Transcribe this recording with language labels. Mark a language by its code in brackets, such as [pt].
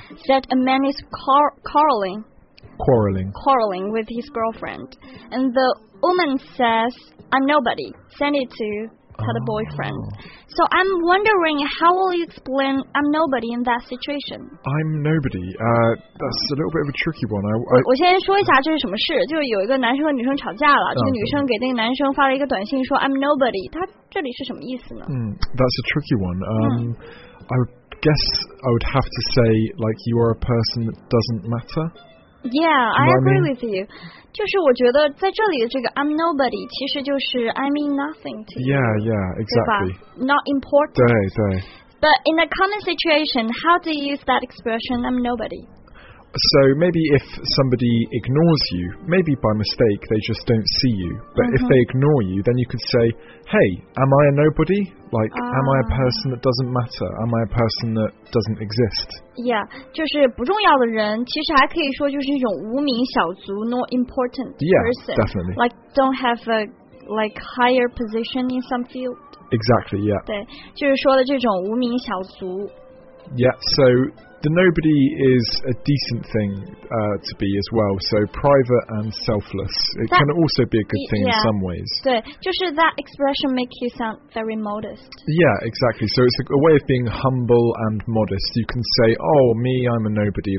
[en] Said a man is quarreling with his girlfriend, and the woman says, "I'm nobody. Send it to her the boyfriend." So I'm wondering, how will you explain "I'm nobody" in that situation? I'm nobody. That's a little bit of a tricky one. I [zh] 我先说一下这是什么事，就是有一个男生和女生吵架了，这个女生给那个男生发了一个短信说 "I'm nobody." 他这里是什么意思呢？ [en] That's a tricky one. I guess I would have to say like you are a person that doesn't matter. Yeah, I agree with you. [zh] 就是我觉得在这里的这个 [en] I'm nobody [zh] 其实就是 [en] I mean nothing to you. Yeah, yeah, exactly. Not important. [zh] 对对。 [en] But in a common situation, how do you use that expression, I'm nobody? So maybe if somebody ignores you, maybe by mistake they just don't see you. But if they ignore you, then you could say, hey, am I a nobody? Like, am I a person that doesn't matter? Am I a person that doesn't exist? [zh] Yeah, 就是不重要的人，其实还可以说就是一种无名小卒 [en] not important person. Yeah, definitely. Like, don't have a like, higher position in some field. Exactly, yeah. [zh] 对，就是说的这种无名小卒。 [en] Yeah, so... The nobody is a decent thing、to be as well. So private and selfless. It that, can also be a good thing yeah, in some ways. [zh] 对，就是 [en] that expression makes you sound very modest. Yeah, exactly. So it's a way of being humble and modest. You can say, oh, me, I'm a nobody.